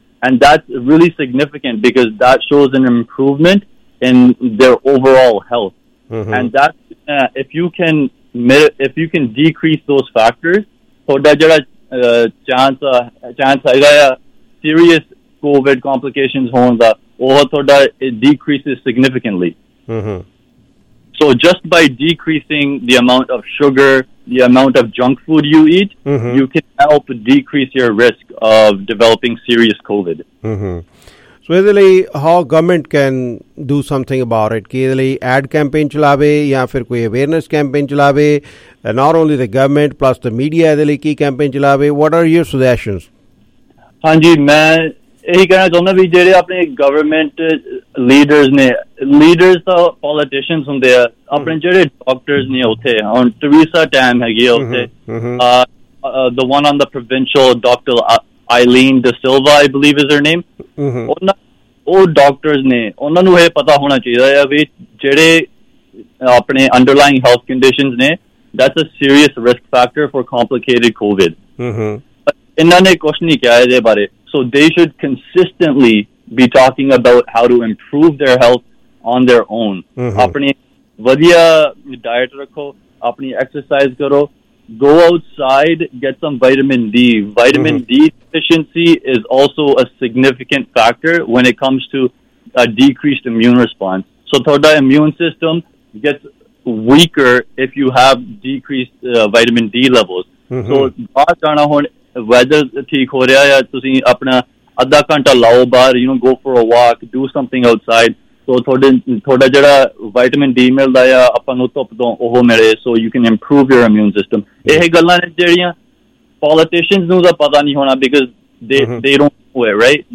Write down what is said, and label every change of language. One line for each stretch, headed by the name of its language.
English: And that's really significant because that shows an improvement in their overall health. And that's if you can decrease those factors,
Punjabi: ਤੁਹਾਡਾ ਜਿਹੜਾ chance ਹੈਗਾ ਆ serious Covid complication ਹੋਣ ਦਾ, ਉਹ ਤੁਹਾਡਾ ਡੀਕ੍ਰੀਸ
English: Is significantly. So just by decreasing the amount of sugar, the amount of junk food you eat, you can help decrease your risk of developing serious COVID. So
Punjabi: ਇਹਦੇ ਲਈ
English: how government can do something about it?
Punjabi: ਕਿ ਇਹਦੇ ਲਈ ad campaign ਚਲਾਵੇ ਜਾਂ ਫਿਰ ਕੋਈ awareness campaign ਚਲਾਵੇ?
English: Not only the government plus the media,
Punjabi: ਇਹਦੇ ਲਈ ਕੀ campaign ਚਲਾਵੇ?
English: What are your suggestions?
Punjabi: ਹਾਂਜੀ, ਮੈਂ ਇਹੀ ਕਹਿਣਾ ਚਾਹੁੰਦਾ ਵੀ ਜਿਹੜੇ ਆਪਣੇ ਗਵਰਨਮੈਂਟ ਲੀਡਰਸ ਨੇ, ਲੀਡਰਸ ਤਾਂ ਪੋਲੀਟੀਸ਼ੀਅਨਸ ਹੁੰਦੇ ਆ, ਆਪਣੇ ਜਿਹੜੇ ਡਾਕਟਰਸ ਨੇ ਉੱਥੇ, ਹੁਣ ਟਰੀਸਾ ਟੈਮ ਹੈਗੀ ਆ ਉੱਥੇ,
English: the one on the provincial
Punjabi: doctor ਆਈਲੀਨ ਡਾ ਸਿਲਵਾ,
English: I believe is her name,
Punjabi: ਉਹ ਡਾਕਟਰਸ ਨੇ, ਉਹਨਾਂ ਨੂੰ ਇਹ ਪਤਾ ਹੋਣਾ ਚਾਹੀਦਾ ਆ ਵੀ ਜਿਹੜੇ ਆਪਣੇ ਅੰਡਰਲਾਈਂਗ ਹੈਲਥ ਕੰਡੀਸ਼ਨਸ ਨੇ,
English: That's a serious risk factor for complicated COVID.
Punjabi: ਇਹਨਾਂ ਨੇ ਕੁਛ ਨੀ ਕਿਹਾ ਇਹਦੇ ਬਾਰੇ.
English: So they should consistently be talking about how to improve their health on their own.
Punjabi: Apni vadhiya diet rakho, apni exercise karo,
English: go outside, get some vitamin D. Vitamin D deficiency is also a significant factor when it comes to a decreased immune response. So
Punjabi: thoda
English: immune system gets weaker if you have decreased vitamin D levels. So baat jana hon,
Punjabi: weather ਠੀਕ ਹੋ ਰਿਹਾ ਆ, ਤੁਸੀਂ ਆਪਣਾ ਅੱਧਾ ਘੰਟਾ ਲਾਓ ਬਾਹਰ,
English: you know go for a walk, do something outside,
Punjabi: ਸੋ ਤੁਹਾਡਾ ਜਿਹੜਾ ਵਿਟਾਮਿਨ ਡੀ ਮਿਲਦਾ ਆ ਆਪਾਂ ਨੂੰ ਧੁੱਪ ਤੋਂ ਉਹ ਮਿਲੇ,
English: So you can improve your immune system.
Punjabi: ਇਹ ਗੱਲਾਂ ਨੇ ਜਿਹੜੀਆਂ ਪੋਲੀਟੀਸ਼ੀਅਨਸ ਨੂੰ ਤਾਂ ਪਤਾ ਨਹੀਂ ਹੋਣਾ,
English: Because they don't know it, right?